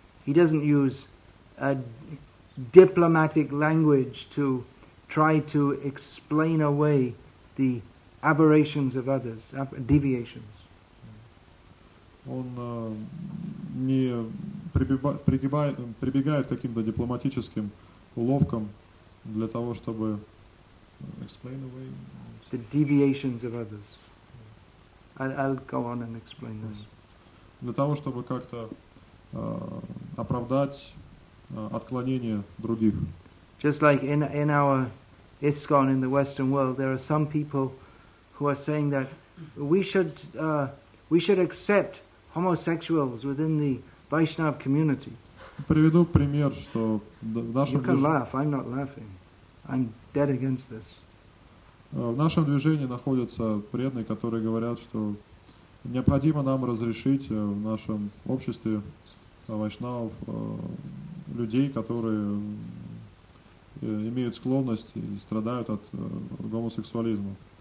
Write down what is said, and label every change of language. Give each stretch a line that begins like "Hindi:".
English: He doesn't use a diplomatic language to try to explain away the aberrations of others, deviations.
Russian: Он не прибегает к каким-то дипломатическим уловкам для того, чтобы
English: explain away the deviations of others. I'll go on and explain this.
Russian: Для того, чтобы как-то оправдать отклонения других.
English: Just like in our ISKCON in the Western world, there are some people who are saying that we should accept homosexuals within the Vaishnav community.
Russian: Приведу пример, что в нашем
English: I'm not laughing. I'm dead against this.
Russian: В нашем движении находятся преданные, которые говорят, что необходимо нам разрешить в нашем обществе вайшнавов людей, которые имеют склонность и страдают от гомосексуализма.